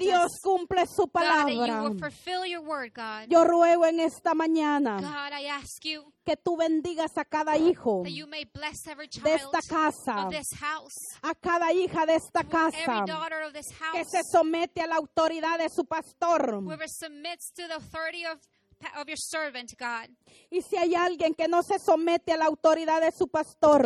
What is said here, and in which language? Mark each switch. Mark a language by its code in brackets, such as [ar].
[es] y Dios cumple su palabra. [en] God, you will fulfill your word, God. [es] Yo ruego en esta mañana, [en] God, I ask you, [es] que tú bendigas a cada hijo, [en] that you may bless every child [es] de esta casa, [en] of this house, [es] a cada hija de esta casa, [en] every daughter of this house, [es] que se somete a la autoridad de su pastor. [en] Whoever submits to the authority of your servant, God. [es] Y si hay alguien que no se somete a la autoridad de su pastor,